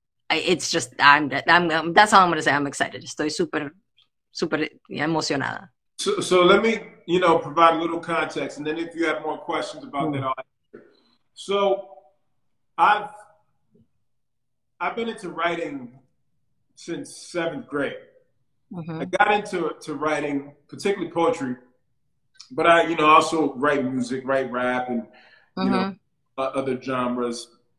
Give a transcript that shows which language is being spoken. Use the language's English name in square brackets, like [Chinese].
[English] That's all I'm going to say. I'm excited. [Spanish] Estoy super, super emocionada. [English] So let me, provide a little context. And then if you have more questions about that, I'll answer. So I've been into writing since seventh grade. Mm-hmm. I got into writing, particularly poetry, but I, also write music, write rap, and other genres.